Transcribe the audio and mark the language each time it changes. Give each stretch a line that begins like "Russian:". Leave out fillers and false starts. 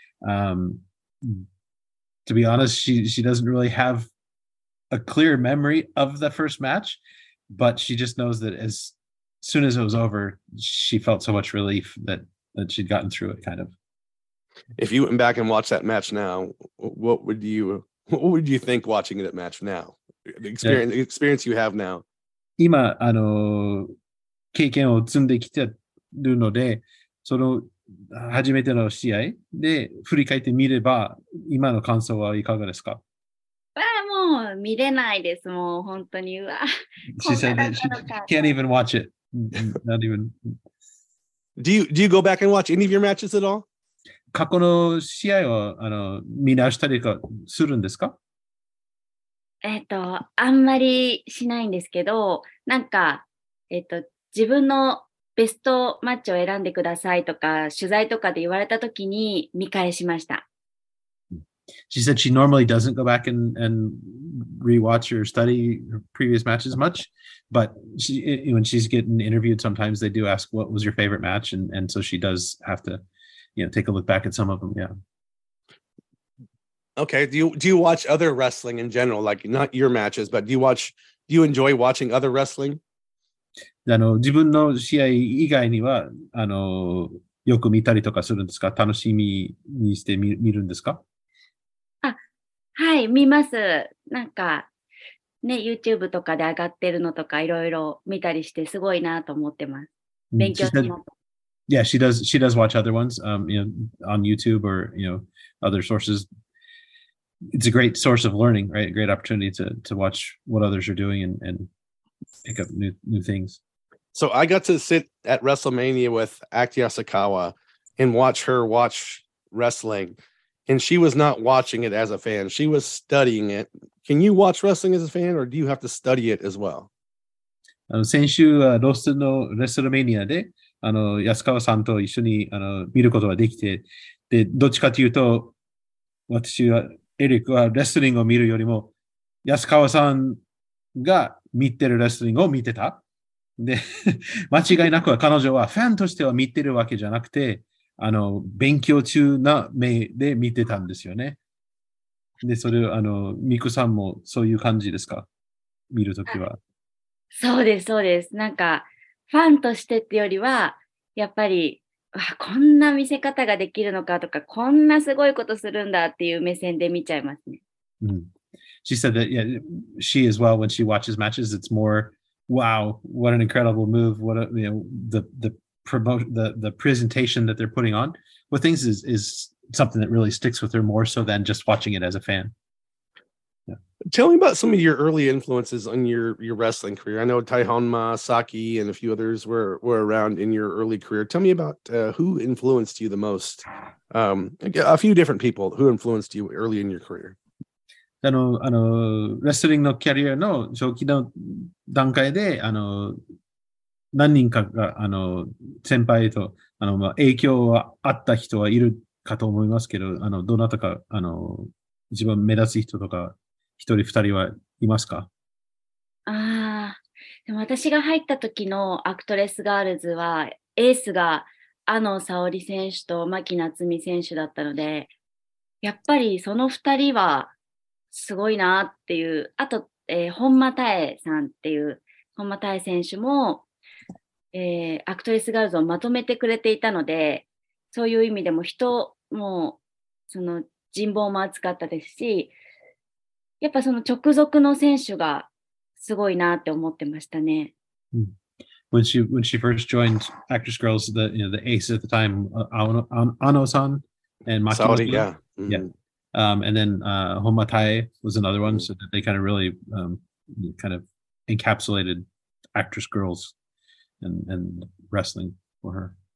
English: To be honest, she doesn't really haveA clear memory of the first match, but she just knows that as soon as it was over, she felt so much relief that she'd gotten through it, kind of. If you went back and watched that match now, what would you think watching that match now? The experience you have now.
Japanese: 今、あの、経験を積んできてるので、その初めての試合で振り返ってみれば、今の感想はいかがですか？見れないです。もう本当にうわ。
English: She said that she can't even watch it. Not even. Do you go back and watch any of your matches at all?
Japanese: 過去の試合をあの見直したりかするんですか？あんまりしないんですけど、なんか自分のベストマッチを選んでくださいとか取材とかで言われた時に見返しました。
English: She said she normally doesn't go back and rewatch or study her previous matches much, but when she's getting interviewed, sometimes they do ask, what was your favorite match? And so she does have to, you know, take a look back at some of them. Yeah. Okay. Do you watch other wrestling in general, like not your matches, but do you enjoy watching other wrestling?
Japanese: あの、自分の試合以外には、あの、よく見たりとかするんですか？楽しみにして見るんですか？はい、見ます。なんか、ね、YouTube とかで上がってるのとか、いろいろ見たりして、すごいなと思ってます。勉強します。
English: Yeah, she does watch other ones, you know, on YouTube or, you know, other sources. It's a great source of learning, right? A great opportunity to watch what others are doing and pick up new things. So I got to sit at WrestleMania with Akira Asakawa and watch her watch wrestling. And she was not watching it as a fan. She was studying it. Can you watch wrestling as a fan or do you have to study it as well?
Japanese: 先週、ロスのレスルメニアで、あの、安川さんと一緒に、あの、見ることができて、で、どっちかというと、私は、エリックはレスリングを見るよりも、安川さんが見てるレスリングを見てた。で、間違いなくは彼女はファンとしては見てるわけじゃなくて、あの、勉強中な目で見てたんですよね。で、それ、あの、ミクさんもそういう感じですか？見るときは。そうです、そうです。なんか、ファンとしてってよりは、やっぱり、わ、こんな見せ方ができるのかとか、こんなすごいことするんだっていう目線で見ちゃいますね。 Mm.
English: She said that, yeah, she as well, when she watches matches, it's more, wow, what an incredible move. What a, you know, the presentation that they're putting on with things is something that really sticks with her more so than just watching it as a fan. Yeah. Tell me about some of your early influences on your wrestling career. I know Taihon Masaki and a few others were around in your early career. Tell me about who influenced you the most. A few different people who influenced you early in your career.
Japanese: あの、レスリングのキャリアの初期の段階で、何人かが、先輩と、まあ、影響はあった人はいるかと思いますけど、どなたか、一番目立つ人とか、一人二人はいますか？ああ、でも私が入った時のアクトレスガールズは、エースが、あの、沙織選手と牧夏美選手だったので、やっぱりその二人は、すごいなっていう。あと、本間大恵さんっていう、本間大恵選手も、アクトレスガールズをまとめてくれていたので、そういう意味でも人も、その人望も厚かったですし、やっぱその直属の選手がすごいなって思ってましたね。
English: When she first joined Actwres Girls, the, you know, the ace at the time, Aono-san and Maki. Sorry, yeah. Mm-hmm. Yeah. And then Honma Tae was another one, so they kind of really kind of encapsulated Actwres Girls and wrestling for her.